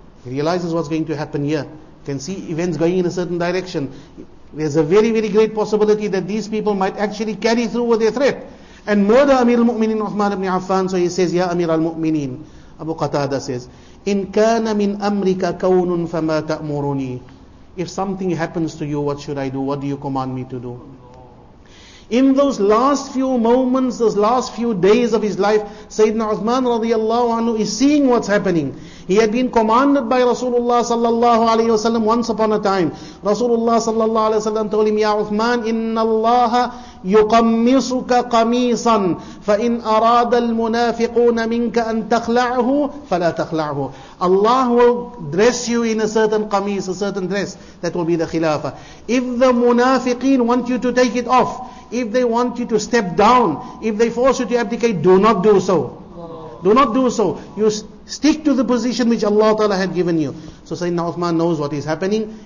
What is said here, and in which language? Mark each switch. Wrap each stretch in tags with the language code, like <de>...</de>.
<en>He realizes what's going to happen here. You can see events going in a certain direction. There's a very, very great possibility that these people might actually carry through with their threat and murder Amir al-Mu'mineen Uthman ibn Affan. So he says,</en> <ar>يَا أَمِيرَ الْمُؤْمِنِينَ.</ar> <en>Abu Qatada says,</en> <ar>إن كان من أمرك كون فما تأمرني.</ar> <en>If something happens to you, what should I do? What do you command me to do? In those last few moments, those last few days of his life, Sayyidina Uthman radiallahu anhu is seeing what's happening. He had been commanded by Rasulullah sallallahu alayhi wa sallam once upon a time. Rasulullah sallallahu alayhi wa sallam told him, Ya Uthman,</en> <ar>إن الله يقمصك قميصا فإن أراد المنافقون منك أن تخلعه فلا تخلعه.</ar> <en>Allah will dress you in a certain qamis, a certain dress that will be the khilafah. If the munafiqeen want you to take it off, if they want you to step down, if they force you to abdicate, do not do so. Do not do so. You stick to the position which Allah Ta'ala had given you. So Sayyidina Uthman knows what is happening.</en>